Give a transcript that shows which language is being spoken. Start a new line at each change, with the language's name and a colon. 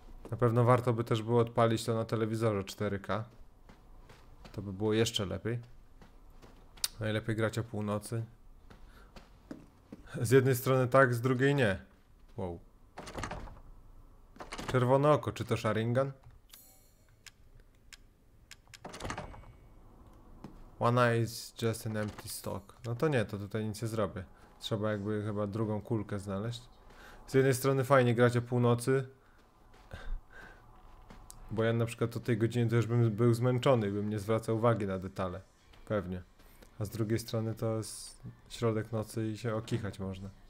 Polish: Na pewno warto by też było odpalić to na telewizorze 4K. To by było jeszcze lepiej. Najlepiej grać o północy. Z jednej strony tak, z drugiej nie. Wow. Czerwone oko, czy to Sharingan?
English: One eye is just an empty stock.
Polish: No to nie, to tutaj nic nie zrobię. Trzeba jakby chyba drugą kulkę znaleźć. Z jednej strony fajnie grać o północy. Bo ja na przykład o tej godzinie to już bym był zmęczony i bym nie zwracał uwagi na detale. Pewnie. A z drugiej strony to jest środek nocy i się okichać można.